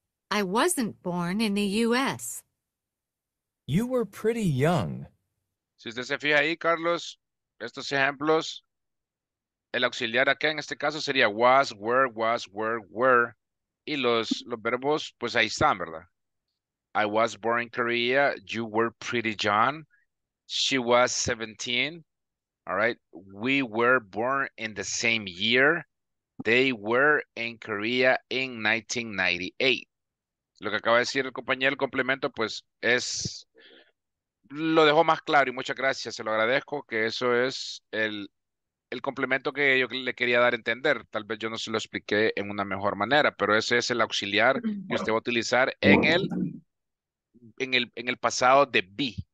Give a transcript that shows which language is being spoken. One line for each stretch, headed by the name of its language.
English: I wasn't born in the U.S. You were pretty young
Spanish: Si usted se fija ahí, Carlos, estos ejemplos, el auxiliar acá en este caso sería was, were, y los verbos, pues ahí están, ¿verdad?
English: I was born in Korea, you were pretty young, she was 17, all right? We were born in the same year, they were in Korea in 1998.
Spanish: Lo que acaba de decir el compañero, el complemento, pues es, lo dejó más claro y muchas gracias, se lo agradezco, que eso es el complemento que yo le quería dar a entender. Tal vez yo no se lo expliqué en una mejor manera, pero ese es el auxiliar que usted va a utilizar en el pasado de be.